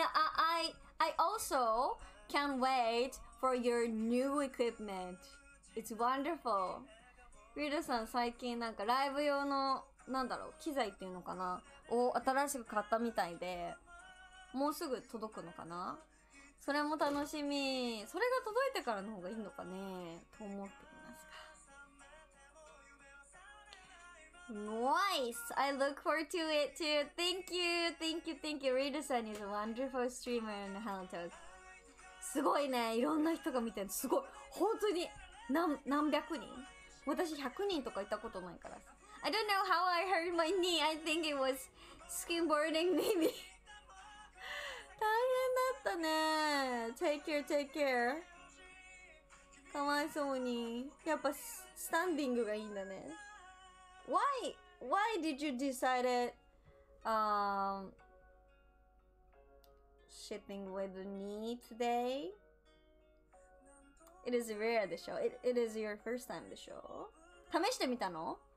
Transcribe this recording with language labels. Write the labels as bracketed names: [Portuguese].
[English] And I also can't wait for your new equipment. It's wonderful. [Japanese] ウィルさん、最近なんかライブ用の、なんだろう、機材っていうのかなを新しく買ったみたいで、もうすぐ届くのかな。それも楽しみ。それが届いてからの方がいいのかねと思っていますが。 [English] Nice! I look forward to it too! Thank you! Thank you! Thank you! Reader-san is a wonderful streamer in HanaTalk. [Japanese] すごいね。いろんな人が見てる。すごい。本当に何百人、私100人とか行ったことないから。 [English] I don't know how I hurt my knee. I think it was skimboarding maybe. [Japanese] 大変だったね。 [English] Take care, take care. [Japanese] かわいそうに。やっぱスタンディングがいいんだね。 [English] Why did you decide shitting with knee today? It is rare でしょ。It is your first time でしょ。 [Japanese] 試してみたの？